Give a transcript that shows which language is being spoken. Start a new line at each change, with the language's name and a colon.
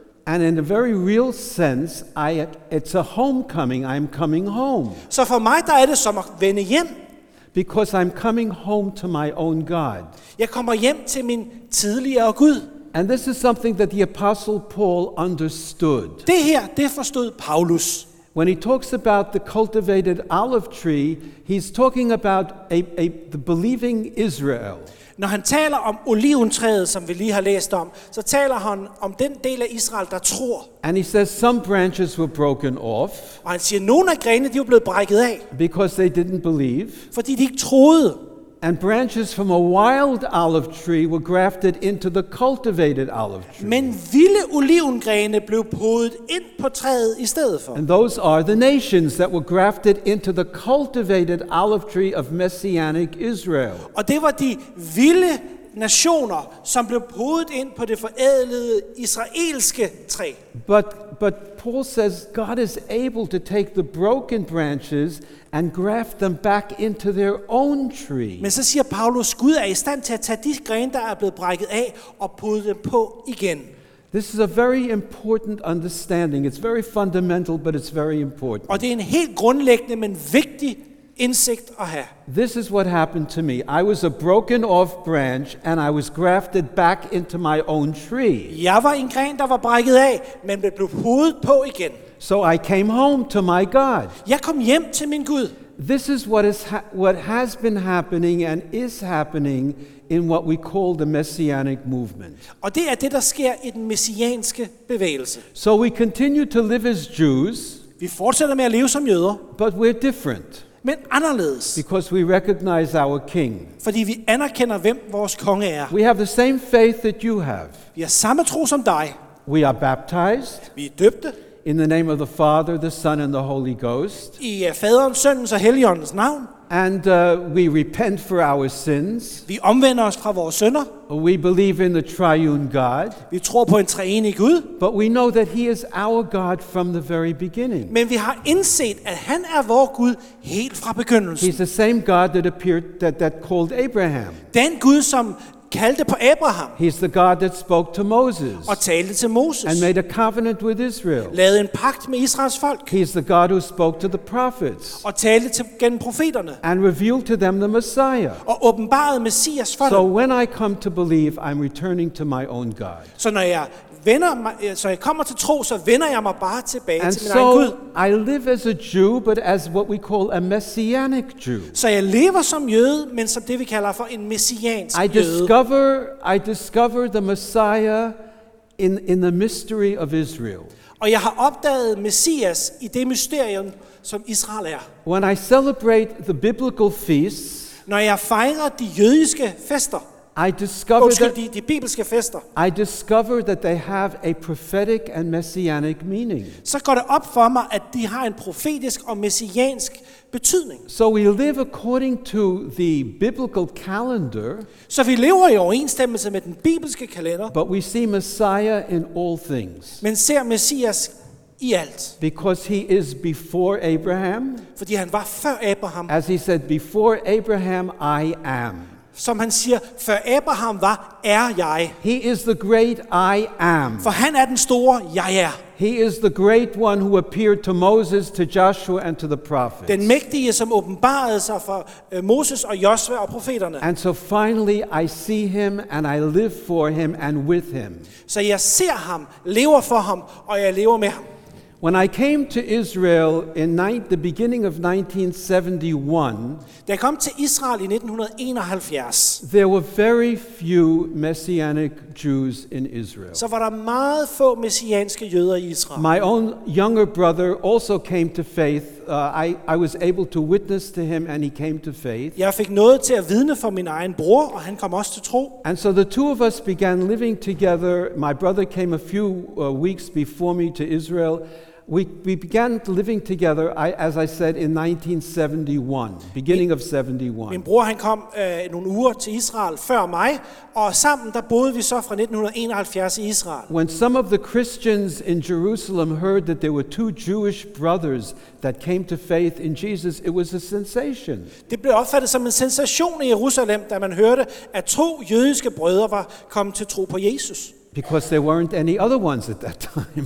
English: And in a very real sense, it's a homecoming. I'm coming home.
Danish: Så for mig der er det som at vende hjem.
English: Because I'm coming home to my own God.
Danish: Jeg kommer hjem til min tidligere Gud.
English: And this is something that the Apostle Paul understood.
Danish: Det her, det forstod Paulus.
English: When he talks about the cultivated olive tree, he's talking about the believing Israel.
Danish: Når han taler om oliventræet, som vi lige har læst om, så taler han om den del af Israel, der tror.
English: And he says some branches were broken off.
Danish: Og han siger, at nogle af grenene, de var blevet brækket af.
English: Because they didn't believe.
Danish: Fordi de ikke troede.
English: And branches from a wild olive tree were grafted into the cultivated olive tree.
Danish: Men vilde olivengrene blev podet ind på træet i stedet for.
English: And those are the nations that were grafted into the cultivated olive tree of messianic Israel.
Danish: Og det var de vilde nationer, som blev podet ind på det forædlede israelske træ.
English: But Paul says God is able to take the broken branches and graft them back into their own tree.
Danish: Men så siger Paulus, Gud er i stand til at tage de grene, der er blevet brækket af, og pode dem på igen.
English: This is a very important understanding. It's very fundamental, but it's very important.
Danish: Og det er en helt grundlæggende, men vigtig indsigt at have.
English: This is what happened to me. I was a broken off branch, and I was grafted back into my own tree.
Danish: Jeg var en gren, der var brækket af, men blev podet på igen.
English: So I came home to my God.
Danish: Jeg kom hjem til min Gud.
English: This is what has been happening and is happening in what we call the messianic movement.
Danish: Og det er det der sker i den messianske bevægelse.
English: So we continue to live as Jews.
Danish: Vi fortsætter med at leve som jøder.
English: But we're different.
Danish: Men anderledes.
English: Because we recognize our king.
Danish: Fordi vi anerkender hvem vores konge er.
English: We have the same faith that you have.
Danish: Vi har samme tro som dig.
English: We are baptized.
Danish: Vi er døbte.
English: In the name of the Father, the Son, and the Holy Ghost.
Danish: I Faderens, Sønnens og Helligåndens navn.
English: And we repent for our sins.
Danish: Vi omvender os fra vores synder.
English: We believe in the triune God.
Danish: Vi tror på en treenig Gud.
English: But we know that he is our God from the very beginning.
Danish: Men vi har indset at han er vor Gud helt fra begyndelsen.
English: He's the same God that appeared that called Abraham.
Danish: Den Gud som kaldte på Abraham.
English: He's the God that spoke to Moses.
Danish: Og talte til Moses.
English: And made a covenant with Israel.
Danish: Lavede en pagt med Israels folk.
English: He's the God who spoke to the prophets.
Danish: Og talte til gennem profeterne.
English: And revealed to them the Messiah.
Danish: Og åbenbarede Messias for dem.
English: So when I come to believe, I'm returning to my own God.
Danish: Så når jeg vender mig, så jeg kommer til tro, så vender jeg mig bare tilbage
English: and
Danish: til min
English: so
Danish: egen Gud.
English: I live as a Jew, but as what we call a messianic Jew.
Danish: Så jeg lever som jøde, men som det vi kalder for en messiansk jøde.
English: I discover the Messiah in the mystery of Israel.
Danish: Og jeg har opdaget Messias i det mysterium, som Israel er.
English: When I celebrate the biblical feasts,
Danish: når jeg fejrer de jødiske fester,
English: I discover
Danish: de bibelske fester.
English: I discover that they have a prophetic and messianic meaning.
Danish: Så går det op for mig, at de har en profetisk og messiansk betydning.
English: So we live according to the biblical calendar.
Danish: Så vi lever i overensstemmelse med den bibelske kalender.
English: But we see Messiah in all things.
Danish: Men ser Messias i alt.
English: Because he is before Abraham.
Danish: Fordi han var før Abraham.
English: As he said, before Abraham I am.
Danish: Som han siger, før Abraham var, er jeg.
English: He is the great I am.
Danish: For han er den store, jeg er.
English: He is the great one who appeared to Moses, to Joshua, and to the prophets.
Danish: Den mægtige, som åbenbarede sig for Moses og Josua og profeterne.
English: And so finally I see him, and I live for him, and with him.
Danish: Så jeg ser ham, lever for ham, og jeg lever med ham.
English: When I came to Israel in the beginning of 1971,
Danish: da jeg kom til Israel i 1971,
English: there were very few messianic Jews in Israel.
Danish: Så var der meget få messianske jøder i Israel.
English: My own younger brother also came to faith. I was able to witness to him, and he came to faith.
Danish: Jeg fik noget til at vidne for min egen bror, og han kom også til tro.
English: And so the two of us began living together. My brother came a few weeks before me to Israel. We began living together, as I said, in 1971, beginning of 71.
Danish: Min bror, han kom nogle uger til Israel før mig, og sammen der boede vi så fra 1971 i Israel.
English: When some of the Christians in Jerusalem heard that there were two Jewish brothers that came to faith in Jesus, it was a sensation.
Danish: Det blev opfattet som en sensation i Jerusalem, da man hørte, at to jødiske brødre var kommet til tro på Jesus.
English: Because there weren't any other ones at that time.